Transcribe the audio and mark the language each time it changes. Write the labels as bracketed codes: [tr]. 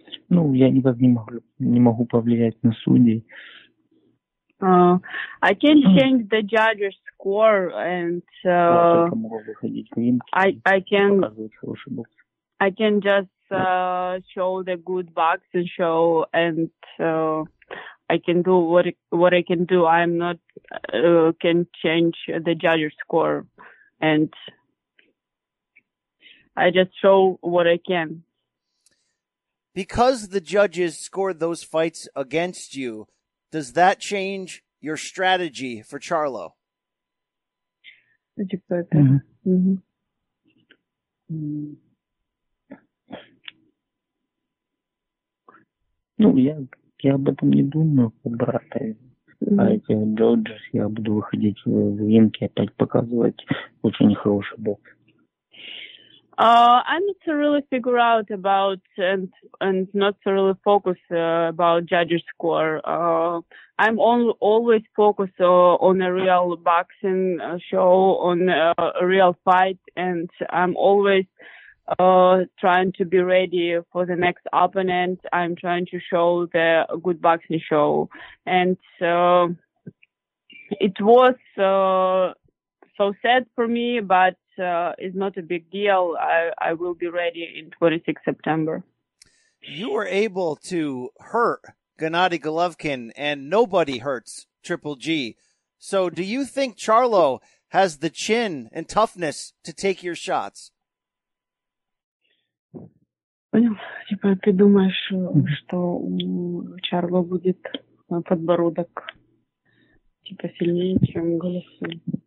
[ru] Ну, я никак не могу, не могу повлиять на судей. [en] I can change the judge's score and I can just show the good boxing show and I can do what I can do. I'm not can change the judge's score and I just show what I can. Because the judges scored those fights against you, does that change your strategy for Charlo? [ru] Ну, я об этом не думаю, брат. А этих джоджес я буду выходить в ринг и опять показывать очень хороший бокс. [en] I need to really figure out about and not to really focus about judges' score. I'm always focused on a real boxing show, on a real fight, and I'm always trying to be ready for the next opponent. I'm trying to show the good boxing show. And it was so sad for me, but is not a big deal. I will be ready in 26 September. You were able to hurt Gennady Golovkin and nobody hurts Triple G. So do you think Charlo has the chin and toughness to take your shots? [ru] Понял. Ты думаешь, что Charlo будет подбородок типа сильнее, чем Golovkin?